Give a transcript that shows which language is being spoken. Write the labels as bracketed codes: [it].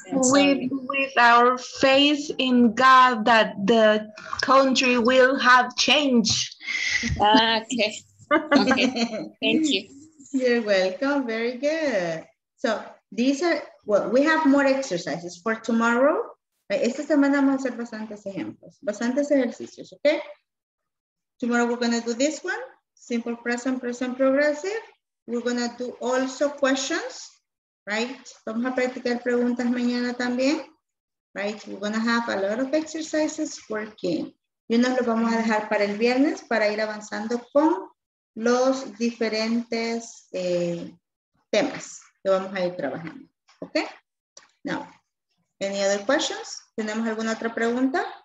[en] With our faith in God that the country will have change. Okay. Thank you. You're welcome. Very good. So, these are, well, we have more exercises for tomorrow. [es] Esta semana vamos a hacer bastantes ejemplos, bastantes ejercicios, okay? [en] Tomorrow we're gonna do this one, simple present, present progressive. We're gonna do also questions Right? [es] Vamos a practicar preguntas mañana también. Right? [en] We're going to have a lot of exercises working. [es] Y nos lo vamos a dejar para el viernes para ir avanzando con los diferentes temas que vamos a ir trabajando. [en] ¿Ok? Now, any other questions? [es] ¿Tenemos alguna otra pregunta?